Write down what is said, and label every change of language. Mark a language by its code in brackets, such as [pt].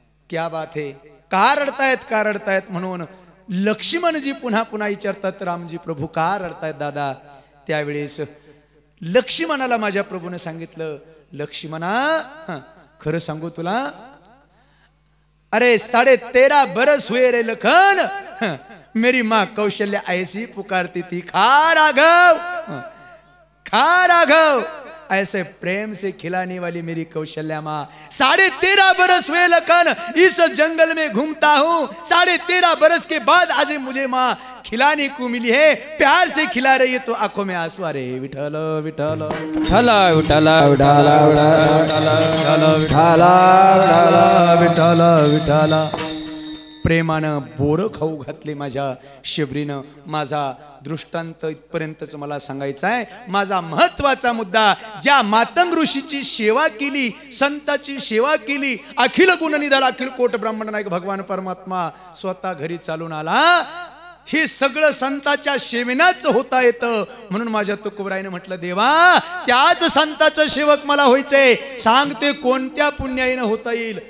[hi] क्या बात है, [mr] का रडतायत का रडतायत? म्हणून लक्ष्मणजी पुन्हा पुन्हा विचारतात रामजी प्रभू का रडतायत दादा? त्यावेळेस लक्ष्मणाला माझ्या प्रभूने सांगितलं लक्ष्मणा खरं सांगू तुला, अरे [hi] 13.5 बरस हुए रे लखन, मेरी माँ कौशल्य ऐसी पुकारती थी खा राघव, ऐसे प्रेम से खिलाने वाली मेरी कौशल्या माँ, 13.5 बरस हुए लखन इस जंगल में घूमता हूँ, 13.5 बरस के बाद आज मुझे माँ खिलाने को मिली है, प्यार से खिला रही है तो आंखों में आंसू आ रहे हैं। विठल विठल विठल विठल विठल विठल विठल विठल विठल विठल, [mr] प्रेमानं बोर खाऊ घातले माझ्या शिबरीनं। माझा दृष्टांत इथपर्यंतच मला सांगायचा आहे, माझा महत्वाचा मुद्दा ज्या मातंग ऋषीची सेवा केली संतांची सेवा केली अखिल गुण निधाल अखिल कोट ब्राह्मण नायक भगवान परमात्मा स्वतः घरी चालून आला, हे सगळं संतांच्या सेवेनाच होता येत म्हणून माझ्या तुकोबराईने म्हटलं देवा त्याच संतांचा सेवक मला व्हायचंय, सांगते कोणत्या पुण्याईनं होता येईल?